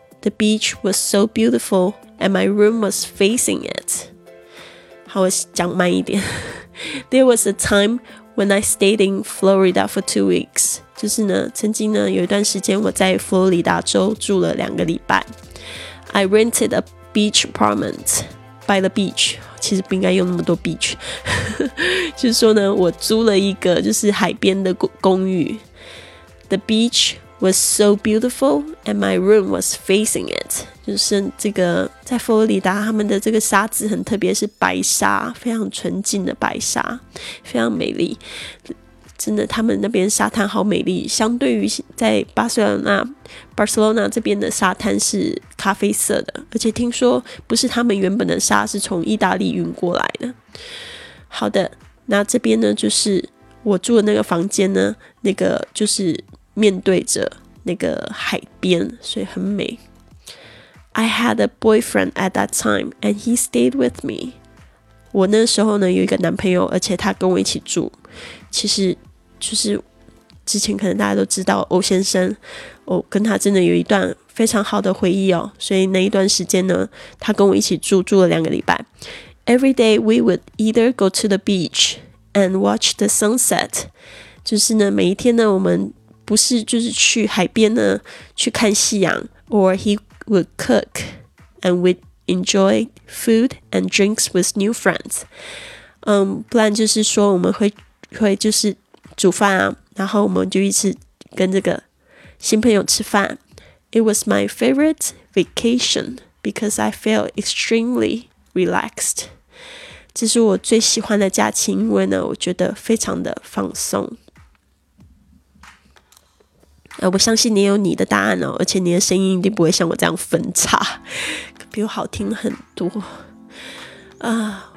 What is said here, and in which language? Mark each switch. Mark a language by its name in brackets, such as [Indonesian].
[English] The beach was so beautiful and my room was facing it. [Chinese] 好，我讲慢一点。 [English] There was a time when I stayed in Florida for 2 weeks. [Chinese] 就是呢，曾经呢，有一段时间我在佛罗里达州住了两个礼拜。 [English] I rented a beach apartment by the beach. [Chinese] 其实不应该用那么多 beach. 就是说呢，我租了一个就是海边的公寓。 [English] The beach was so beautiful and my room was facing it. [Chinese] 就是这个在佛罗里达他们的这个沙子很特别，是白沙，非常纯净的白沙，非常美丽。真的他们那边沙滩好美丽，相对于在巴塞罗那 Barcelona 这边的沙滩是咖啡色的，而且听说不是他们原本的沙，是从意大利运过来的。好的，那这边呢就是我住的那个房间呢，那个就是面对着那个海边，所以很美。 [English] I had a boyfriend at that time and he stayed with me. [Chinese] 我那时候呢有一个男朋友，而且他跟我一起住。其实就是之前可能大家都知道欧先生，我跟他真的有一段非常好的回忆哦，所以那一段时间呢他跟我一起住，住了两个礼拜。 [English] Every day we would either go to the beach and watch the sunset. [Chinese] 就是呢每一天呢我们不是就是去海边呢去看夕阳， [English] or he would cook and we'd enjoy food and drinks with new friends. [Chinese] 不然就是说我们会就是煮饭啊，然后我们就一直跟这个新朋友吃饭。 [English] It was my favorite vacation because I felt extremely relaxed. [Chinese] 这是我最喜欢的假期，因为呢我觉得非常的放松。我相信你有你的答案哦，而且你的声音一定不会像我这样分叉，比我好听很多啊。